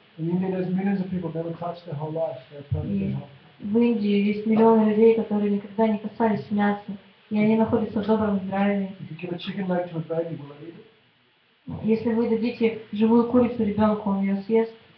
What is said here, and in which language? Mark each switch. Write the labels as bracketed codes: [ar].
[en] In India there's millions of people never touched their whole life. They're perfectly healthy. [ru] В Индии есть миллионы людей, которые никогда не касались мяса, и они находятся в добром здравии. [en] If you give a chicken leg to a baby, will it eat it? [ru] Если вы дадите живую курицу ребенку, он ее съест.